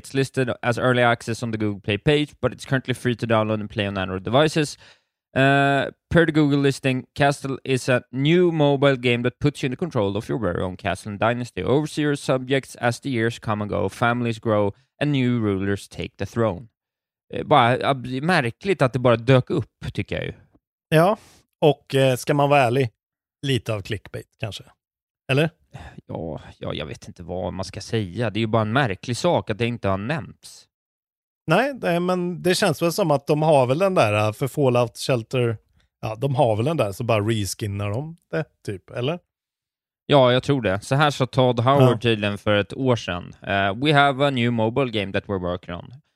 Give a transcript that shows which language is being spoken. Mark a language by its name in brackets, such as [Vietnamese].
[English] It's listed as early access on the Google Play page, but it's currently free to download and play on Android devices. Per the Google listing, Castle is a new mobile game that puts you in the control of your very own castle and dynasty. Oversee your subjects as the years come and go, families grow, and new rulers take the throne. [Swedish] Bara märkligt att det bara dök upp, tycker jag ju. Ja, och ska man vara ärlig, lite av clickbait kanske. Eller? Ja, jag vet inte vad man ska säga. Det är ju bara en märklig sak att det inte har nämnts. Nej, men det känns väl som att de har väl den där för Fallout Shelter. Ja, de har väl den där, så bara reskinnar de det, typ, eller? Ja, jag tror det. Så här sa Todd Howard tydligen för ett år sedan. [English] We have a new mobile game that we're working on.